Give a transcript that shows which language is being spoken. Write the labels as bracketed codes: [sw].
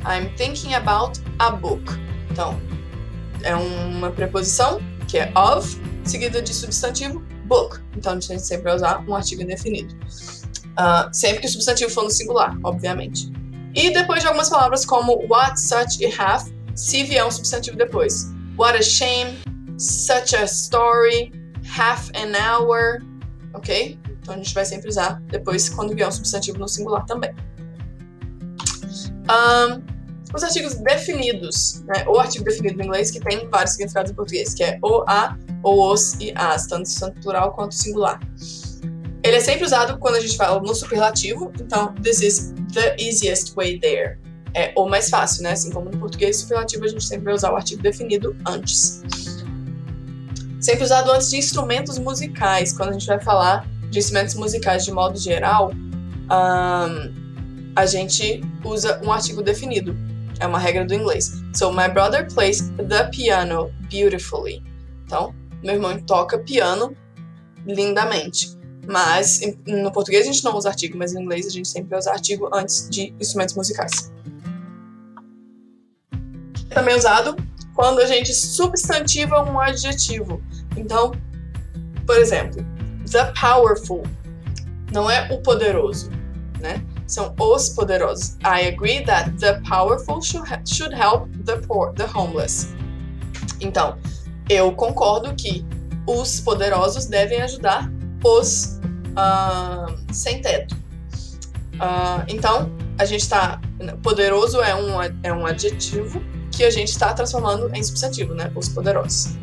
[en] I'm thinking about a book. [pt] Então, é uma preposição que é of seguida de substantivo book. Então, a gente sempre vai usar um artigo indefinido. Sempre que o substantivo for no singular, obviamente. E depois de algumas palavras como what, such e have, se vier um substantivo depois. [en] What a shame, such a story, half an hour, ok? [pt] Então a gente vai sempre usar depois quando vier um substantivo no singular também. Os artigos definidos, né? O artigo definido no inglês que tem vários significados em português, que é o, a, ou os e as, tanto plural quanto singular. Ele é sempre usado quando a gente fala no superlativo, então [en] this is the easiest way there. [pt] É o mais fácil, né? Assim como no português, superlativo a gente sempre vai usar o artigo definido antes. sempre usado antes de instrumentos musicais. Quando a gente vai falar de instrumentos musicais de modo geral, a gente usa um artigo definido. É uma regra do inglês. [en] So, my brother plays the piano beautifully. [pt] Então, meu irmão toca piano lindamente. Mas, no português a gente não usa artigo, mas no inglês a gente sempre usa artigo antes de instrumentos musicais. Também usado quando a gente substantiva um adjetivo. Então, por exemplo, the powerful não é o poderoso, né? São os poderosos. [en] I agree that the powerful should help the poor, the homeless. [pt] Então, eu concordo que os poderosos devem ajudar os sem teto. Então, a gente está... Poderoso é um adjetivo que a gente está transformando em substantivo, né? Os poderosos.